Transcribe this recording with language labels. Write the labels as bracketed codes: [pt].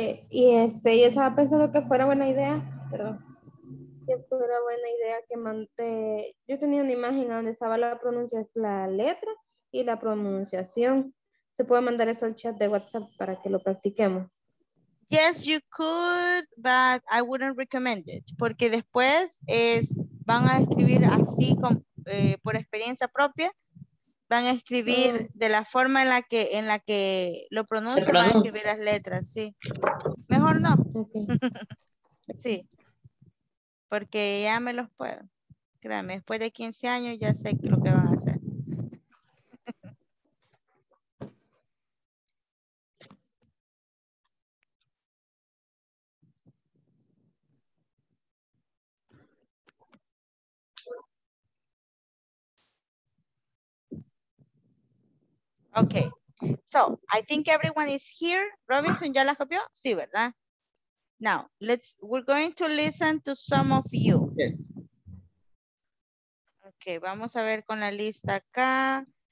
[es] Y este, yo estaba pensando que fuera buena idea, pero que fuera buena idea que mande. Yo tenía una imagen donde estaba la pronunciación, la letra y la pronunciación. ¿Se puede mandar eso al chat de WhatsApp para que lo practiquemos? [en] Yes, you could, but I wouldn't recommend it. [es] Porque después es, van a escribir así con, por experiencia propia. Van a escribir de la forma en la que lo pronuncia, van a escribir las letras, sí. Mejor no. [en] Okay. [es] Sí. Porque ya me los puedo. Créame, después de 15 años ya sé lo que van a hacer. [en] Okay, so I think everyone is here. Robinson, [es] ¿ya la copió? Sí, ¿verdad? [en] Now, we're going to listen to some of you. Yes. [es] Okay, vamos a ver con la lista acá.